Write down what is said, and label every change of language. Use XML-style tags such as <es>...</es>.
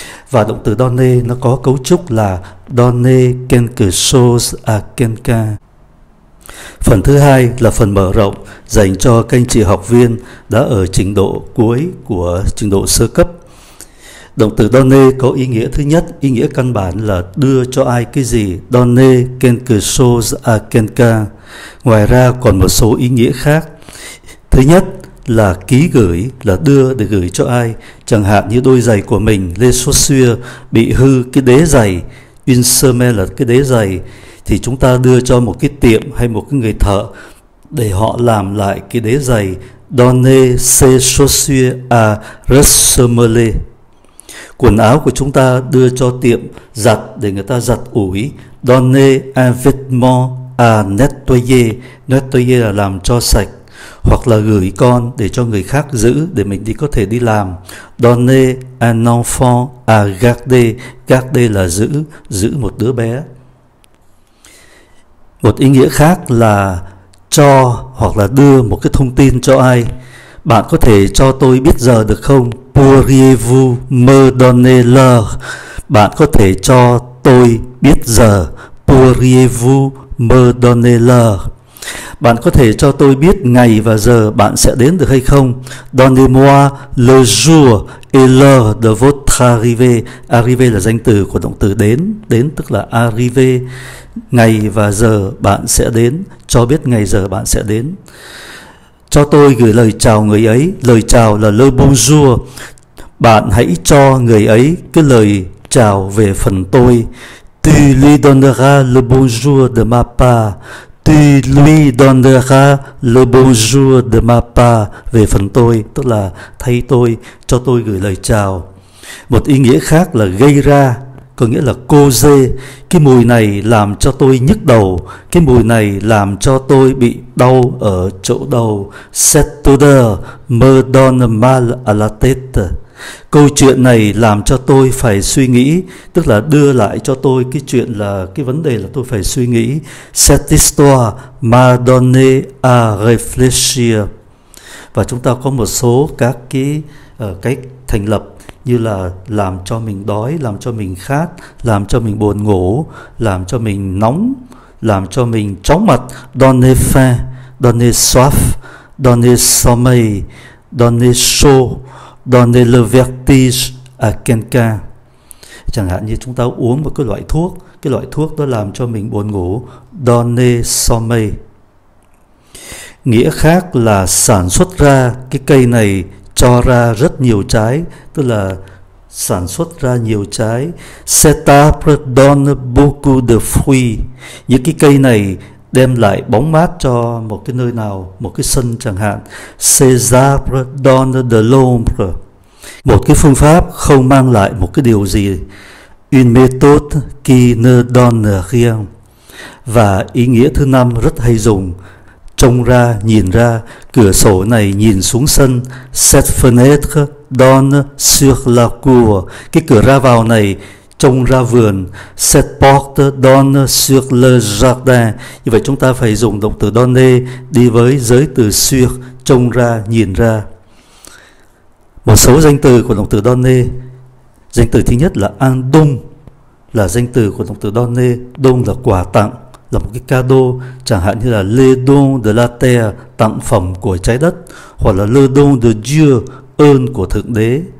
<vi>Và động từ donner nó có cấu trúc là</vi> <fr>donner quelque chose à quelqu'un.</fr> <vi>Phần thứ hai là phần mở rộng dành cho các anh chị học viên đã ở trình độ cuối của trình độ sơ cấp. Động từ donner có ý nghĩa thứ nhất, ý nghĩa căn bản là đưa cho ai cái gì.</vi> <fr>Donner quelque chose à quelqu'un.</fr> <vi>Ngoài ra còn một số ý nghĩa khác. Thứ nhất là ký gửi, là đưa để gửi cho ai. Chẳng hạn như đôi giày của mình, les chaussures, bị hư cái đế giày, Insermen là cái đế giày, thì chúng ta đưa cho một cái tiệm hay một cái người thợ để họ làm lại cái đế giày</vi> <fr>Donner ses chaussures à ressemble.</fr> <vi>Quần áo của chúng ta đưa cho tiệm giặt để người ta giặt ủi,</vi> <fr>Donner un vêtement à nettoyer,</fr> <vi>nettoyer là làm cho sạch, hoặc là gửi con để cho người khác giữ để mình đi có thể đi làm,</vi> <fr>Donner un enfant à garder,</fr> <vi>garder là giữ, giữ một đứa bé. Một ý nghĩa khác là cho hoặc là đưa một cái thông tin cho ai. Bạn có thể cho tôi biết giờ được không?</vi> <fr>Pourriez-vous me donner l'heure?</fr> <vi>Bạn có thể cho tôi biết giờ.</vi> <fr>Pourriez-vous me donner l'heure?</fr> <vi>Bạn có thể cho tôi biết ngày và giờ bạn sẽ đến được hay không?</vi> <fr>Donnez-moi le jour et l'heure de votre arrivée.</fr> <vi>Arrivée là danh từ của động từ đến. Đến tức là arriver. Ngày và giờ bạn sẽ đến. Cho biết ngày giờ bạn sẽ đến. Cho tôi gửi lời chào người ấy. Lời chào là le bonjour. Bạn hãy cho người ấy cái lời chào về phần tôi.</vi> <fr>Tu lui donneras le bonjour de ma part. Tu lui donneras le bonjour de ma part.</fr> <vi>Về phần tôi, tức là thay tôi, cho tôi gửi lời chào. Một ý nghĩa khác là gây ra, có nghĩa là cô dê. Cái mùi này làm cho tôi nhức đầu. Cái mùi này làm cho tôi bị đau ở chỗ đầu.</vi> <fr>Cette odeur me donne mal à la tête.</fr> <vi>Câu chuyện này làm cho tôi phải suy nghĩ. Tức là đưa lại cho tôi cái chuyện là, cái vấn đề là tôi phải suy nghĩ.</vi> <fr>Cette histoire m'a donné à réfléchir.</fr> <vi>Và chúng ta có một số các cái cách thành lập, như là làm cho mình đói, làm cho mình khát, làm cho mình buồn ngủ, làm cho mình nóng, làm cho mình chóng mặt.</vi> <fr>Donner faim, donner soif, donner sommeil, donner chaud, donner le vertige à quelqu'un.</fr> <vi>Chẳng hạn như chúng ta uống một cái loại thuốc đó làm cho mình buồn ngủ, donner sommeil. Nghĩa khác là sản xuất ra, cái cây này cho ra rất nhiều trái, tức là sản xuất ra nhiều trái.</vi> <fr>Cet arbre donne beaucoup de fruits.</fr> <vi>Những cái cây này đem lại bóng mát cho một cái nơi nào, một cái sân chẳng hạn.</vi> <fr>Cet arbre donne de l'ombre.</fr> <vi>Một cái phương pháp không mang lại một cái điều gì.</vi> <fr>Une méthode qui ne donne rien.</fr> <vi>Và ý nghĩa thứ năm rất hay dùng. Trông ra, nhìn ra, cửa sổ này nhìn xuống sân.</vi> <fr>Cette fenêtre donne sur la cour.</fr> <vi>Cái cửa ra vào này trông ra vườn.</vi> <fr>Cette porte donne sur le jardin.</fr> <vi>Như vậy chúng ta phải dùng động từ donner đi với giới từ sur, trông ra, nhìn ra. Một số danh từ của động từ donner. Danh từ thứ nhất là un don, là danh từ của động từ donner. Don là quà tặng, là một cái cadeau, chẳng hạn như là</vi> <fr>le don de la terre,</fr> <vi>tặng phẩm của trái đất, hoặc là</vi> <fr>le don de Dieu,</fr> <vi>ơn của thượng đế.</vi>